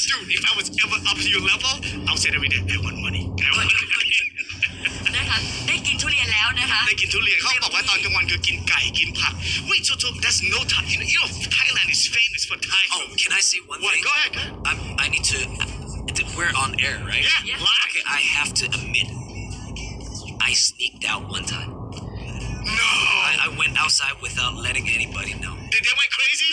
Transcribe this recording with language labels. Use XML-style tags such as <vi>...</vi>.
<en>Dude, if I was ever up to your level, I would say every day, I want money. I want money.</en> <th>ได้กินทุเรียนแล้วนะคะ ได้กินทุเรียนเขาบอกว่าตอนกลางวันคือกินไก่กินผัก</th> <en>Wait, so that's no Thai. You know, Thailand is famous for Thai food. Oh, can I say one thing? Go ahead. I need to... We're on air, right? Yeah. Okay, I have to admit, I sneaked out one time. No. I went outside without letting anybody know. Did they went crazy?</en>